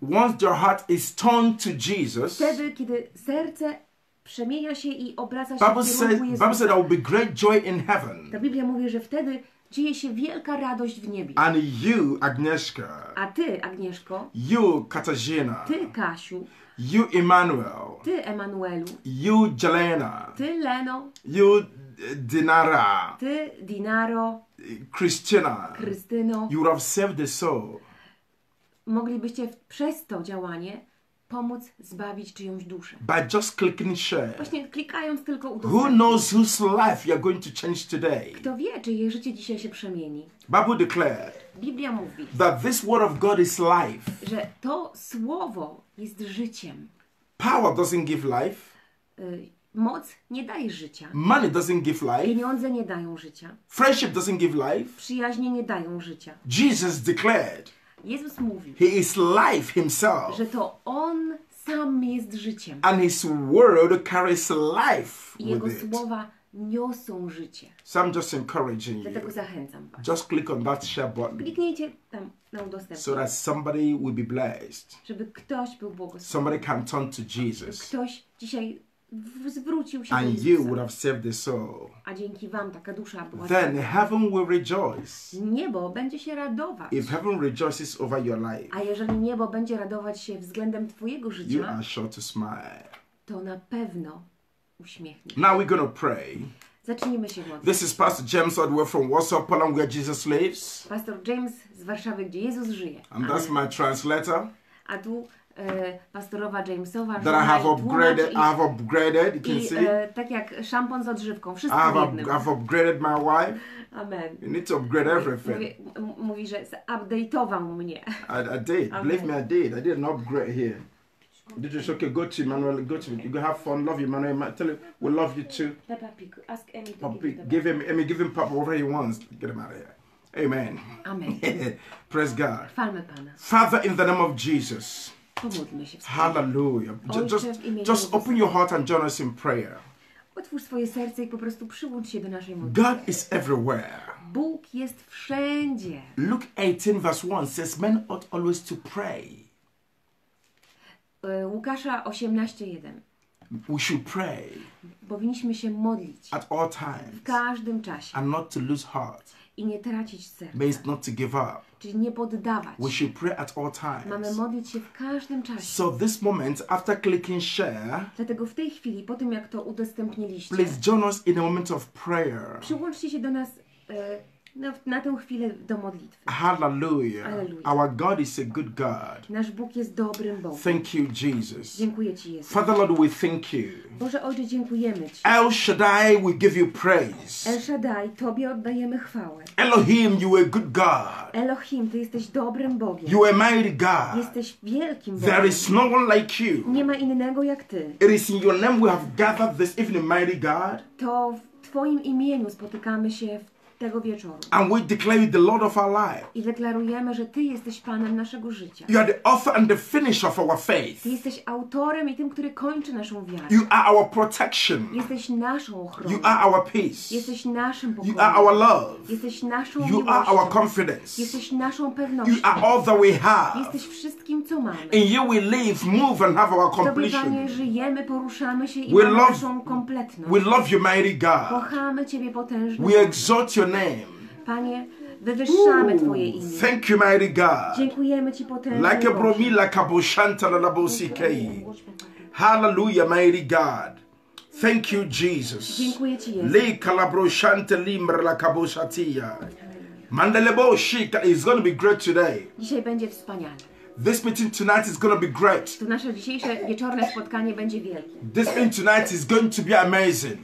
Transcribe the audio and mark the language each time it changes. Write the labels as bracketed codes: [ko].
[en] Once your heart is turned to Jesus, [pl] wtedy, kiedy serce przemienia się i obraca się [en] Bible [pl] w kierunku Jezusa, [en] Bible said there will be great joy in heaven. [pl] Ta Biblia mówi, że wtedy dzieje się wielka radość w niebie. [en] And you, Agnieszka. [pl] A ty, Agnieszko. [en] You, Katarzyna. [pl] Ty, Kasiu. [en] You, Emmanuel. [pl] Ty, Emanuelu. [en] You, Jelena. [pl] Ty, Leno. [en] You, Dinara. [pl] Ty, Dinaro. [en] Christina. [pl] Krystyno. [en] You would have saved the soul. [pl] Moglibyście przez to działanie pomóc zbawić czyjąś duszę. [en] By just clicking share. [pl] Właśnie klikając tylko udostępnić. [en] Who knows whose life you're going to change today? [pl] Kto wie, czy jej życie dzisiaj się przemieni? [en] Bible declared. [pl] Biblia mówi. [en] That this word of God is life. [pl] Że to słowo jest życiem. [en] Power doesn't give life. [pl] Moc nie daje życia. [en] Money doesn't give life. [pl] Pieniądze nie dają życia. [en] Friendship doesn't give life. [pl] Przyjaźnie nie dają życia. [en] Jesus declared. [pl] Jezus mówi. [en] He is life himself. [pl] Że to on sam jest życiem. [en] And his word carries life. [pl] I jego słowa niosą życie. [en] So I'm just encouraging you. [pl] Dlatego zachęcam was. [en] Just click on that share button. [pl] Kliknijcie tam na udostępnienie. [en] So that somebody will be blessed. [pl] Żeby ktoś był błogosławiony. [en] Somebody can turn to Jesus. [pl] Ktoś dzisiaj zwrócił się [en] and [pl] do Jezusa. [en] You would have saved the soul. [pl] A dzięki wam taka dusza była. [en] Then heaven will rejoice. [pl] Niebo będzie się radować. [en] If heaven rejoices over your life. [pl] A jeżeli niebo będzie radować się względem twojego życia. [en] You are sure to smile. [pl] To na pewno uśmiechnie. [en] Now we're gonna pray. [pl] Zacznijmy się modlić. [en] This is Pastor James Odwell from Warsaw, Poland, where Jesus lives. [pl] Pastor James z Warszawy, gdzie Jezus żyje. [en] And amen. That's my translator. [pl] A tu pastorowa Jamesowa, [en] that I have upgraded, you can see. [pl] Tak jak szampon z odżywką, wszystko w jednym. [en] I've upgraded my wife. Amen. You need to upgrade everything. [pl] Mówi, że zupdate'ował mnie. [en] I did. Amen. Believe me, I did. I did an upgrade here. Did you okay? Go to Emmanuel. Go to you. Go have fun. Love you, Emmanuel. Tell him we love you too. Papa Pig, ask Emmy. Give him Emmy. Give him Papa whatever he wants. Get him out of here. Amen. Amen. Praise God. [pl] Chwalmy Pana. [en] Father, in the name of Jesus. [pl] Pomódlmy się. [en] Hallelujah. Just open your heart and join us in prayer. [pl] Otwórz swoje serce i po prostu przyłącz się do naszej modlitwy. [en] God is everywhere. [pl] Bóg jest wszędzie. [en] Luke 18 verse 1 says men ought always to pray. [pl] Łukasza 18:1. [en] We should pray. [pl] Powinniśmy się modlić. [en] At all times. [pl] W każdym czasie. [en] And not to lose heart. [pl] I nie tracić serca. [en] Means not to give up. [pl] Czyli nie poddawać. [en] We should pray at all times. [pl] Mamy modlić się w każdym czasie. [en] So this moment, after clicking share. [pl] Dlatego w tej chwili, po tym jak to udostępniliście. [en] Please join us in a moment of prayer. [pl] Przyłączcie się do nas na tę chwilę do modlitwy. [en] Hallelujah. Hallelujah. Our God is a good God. [pl] Nasz Bóg jest dobrym Bogiem. [en] Thank you, Jesus. [pl] Dziękuję Ci, Jezus. [en] Father Lord, we thank you. [pl] Boże Ojcze, dziękujemy Ci. [en] El Shaddai, we give you praise. [pl] El Shaddai, Tobie oddajemy chwałę. [en] Elohim, you are a good God. [pl] Elohim, Ty jesteś dobrym Bogiem. [en] You are a mighty God. [pl] Jesteś wielkim Bogiem. [en] There is no one like you. [pl] Nie ma innego jak Ty. [en] It is in your name we have gathered this evening, mighty God. [pl] To w Twoim imieniu spotykamy się w tego wieczoru. [en] And we declare you the Lord of our life. [pl] I deklarujemy, że Ty jesteś Panem naszego życia. [en] You are the author and the finisher of our faith. [pl] Ty jesteś autorem i tym, który kończy naszą wiarę. [en] You are our protection. [pl] Jesteś naszą ochroną. [en] You are our peace. [pl] Jesteś naszym pokojem. [en] You are our love. [pl] Jesteś naszą [en] you [pl] miłością. [en] Are our confidence. [pl] Jesteś naszą pewnością. [en] You are all that we have. [pl] Jesteś wszystkim, co mamy. [en] In you we live, move and have our completion. [pl] Tobie, Panie, żyjemy, poruszamy się i mamy naszą kompletność. [en] We love you, mighty God. [pl] Kochamy Ciebie, potężny. [en] We exalt your name. [pl] Panie, wywyższamy Twoje imię. [en] Thank you, mighty God. [pl] Dziękujemy Ci, potężny. Like a bromila kaboshanta na labosikei. [en] Hallelujah, mighty God. Thank you, Jesus. [pl] Dziękuję Ci, Jezu. Le kalabroshante limra la kaboshatia. Mandelebo shika [en] is going to be great today. [pl] Dzisiaj będzie wspaniale. [en] This meeting tonight is going to be great. [pl] To nasze dzisiejsze wieczorne spotkanie będzie wielkie. [en] This meeting tonight is going to be amazing.